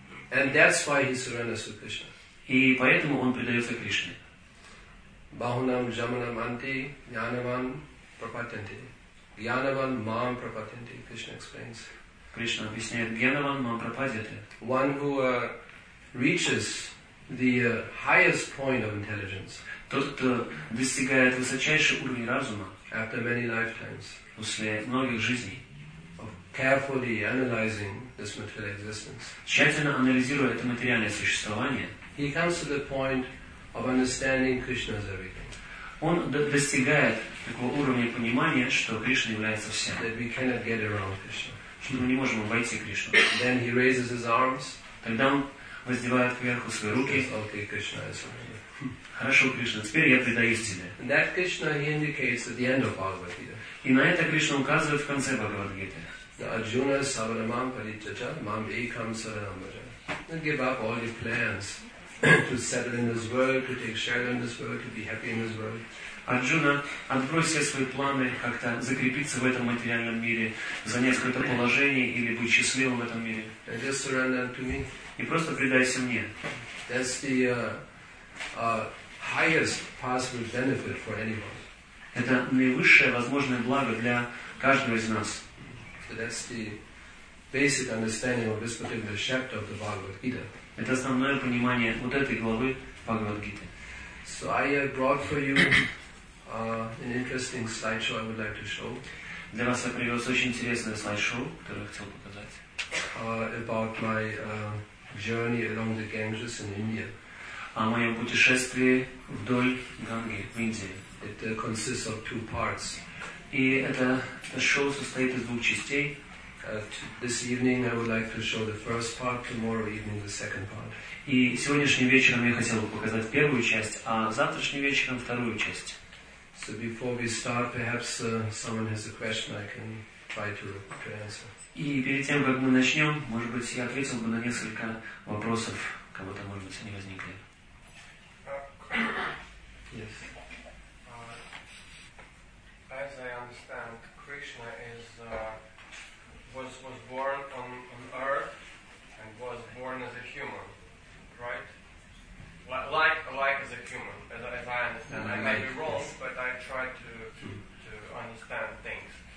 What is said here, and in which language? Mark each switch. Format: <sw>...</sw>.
<en>And that's why he surrenders to Krishna.</en> <ru>И поэтому он предается Кришне. Бахунам джаманам анти, яневан пропатенти. Яневан мам пропатенти, Кришна explains. Кришна объясняет, яневан мам пропатенти.</ru> <en>One who reaches the highest point of intelligence.</en> <ru>Тот, кто достигает высочайший уровень разума.</ru> <en>After many lifetimes.</en> <ru>После многих жизней.</ru> <en>Of carefully analyzing this material existence.</en> <ru>Тщательно анализируя это материальное существование.</ru> <en>He comes to the point of understanding Krishna's everything.</en> <ru>Он достигает такого уровня понимания, что Кришна является всем.</ru> <en>That we cannot get around Krishna.</en> <ru>Что мы не можем обойти Кришну.</ru> <en>Then he raises his arms.</en> <ru>Тогда он воздевает кверху свои руки.</ru> <en>Okay, Krishna is with me.</en> <ru>Хорошо, Кришна, теперь я предаюсь тебе.</ru> <en>And that Krishna he indicates at the end of Bhagavad Gita.</en> <ru>И на это Кришна указывает в конце Бхагавад Гиты. The Arjuna Savaramam Paritaja Mam Ekam Saranamaja.</ru> <en>Then give up all your plans. To settle in this world, to take shelter in this world, to be happy in this world.</en> <ru>Арджуна, отбрось все свои планы, как-то закрепиться в этом материальном мире, занять какое-то положение или быть счастливым в этом мире.</ru> <en>And just surrender to me.</en> <ru>И просто предайся мне.</ru> <en>That's the highest possible benefit for anyone.</en> <ru>Это наивысшее возможное благо для каждого из нас.</ru> <en>So that's the basic understanding of this particular chapter of the Bhagavad Gita.</en> <ru>Это основное понимание вот этой главы Бхагавад-гиты.</ru> <en>So I brought for you an interesting slideshow I would like to show.</en> <ru>Для вас я привез очень интересное слайд-шоу, которое я хотел показать.</ru> <en>About my journey along the Ganges in India.</en> <ru>О моем путешествии вдоль Ганги в Индии.</ru> <en>It consists of two parts.</en> <ru>И это шоу состоит из двух частей.</ru> <en>This evening I would like to show the first part, tomorrow evening the second part.</en> <ru>И сегодняшним вечером я хотел бы показать первую часть, а завтрашним вечером вторую часть.</ru> <en>So before we start, perhaps someone has a question I can try to answer.</en> <ru>И перед тем, как мы начнем, может быть, я ответил бы на несколько вопросов, кого-то, может быть, они возникли.</ru> <en>Yes. As I understand, Krishna is... Was born on earth and was born as a human, right? Like as a human, as I understand. I may be wrong, but I try to understand things.</en>